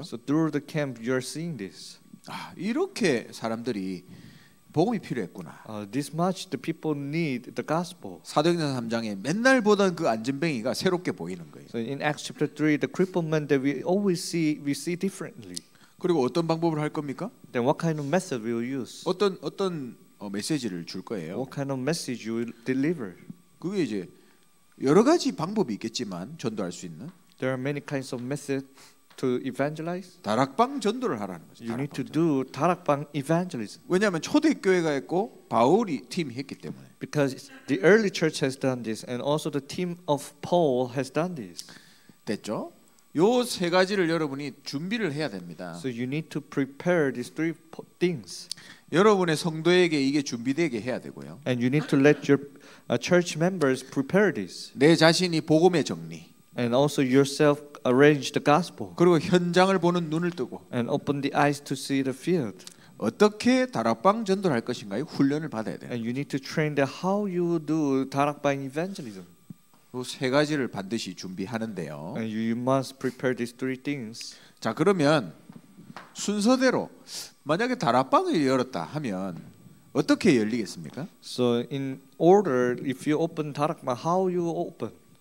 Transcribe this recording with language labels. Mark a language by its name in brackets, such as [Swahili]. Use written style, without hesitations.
[English] So through the camp, you are seeing this. [Korean] 아, 이렇게 사람들이 복음이 필요했구나. [English] This much the people need the gospel. [Korean] 사도행전 3장에 맨날 보던 그 앉은뱅이가 새롭게 보이는 거예요. [English] So in Acts chapter 3, the crippled man that we always see, we see differently. [Korean] 그리고 어떤 방법을 할 겁니까? [English] Then what kind of method will you use? [Korean] 어떤 메시지를 줄 거예요. [English] What kind of message you will deliver? [Korean] 그게 이제 여러 가지 방법이 있겠지만 전도할 수 있는. [English] There are many kinds of methods to evangelize. [Korean] 다락방 전도를 하라는 거죠. [English] You need to do 다락방 evangelism. [Korean] 왜냐하면 초대교회가 했고 바울이 팀이 했기 때문에. [English] Because the early church has done this, and also the team of Paul has done this. [Korean] 됐죠? 요 세 가지를 여러분이 준비를 해야 됩니다. [English] So you need to prepare these three things. [Korean] 여러분의 성도에게 이게 준비되게 해야 되고요. [English] And you need to let your church members prepare this. [Korean] 내 자신이 복음의 정리. [English] And also yourself arrange the gospel. [Korean] 그리고 현장을 보는 눈을 뜨고. [English] And open the eyes to see the field. [Korean] 어떻게 다락방 전도를 할 것인가요? 훈련을 받아야 돼요. [English] And you need to train the how you do 다락방 evangelism. [Korean] 세 가지를 반드시 준비하는데요. [English] And you must prepare these three things. [Korean] 자 그러면 순서대로 만약에 다락방을 열었다 하면 어떻게 열리겠습니까? [English] So in order, if you open 다락방, how you open?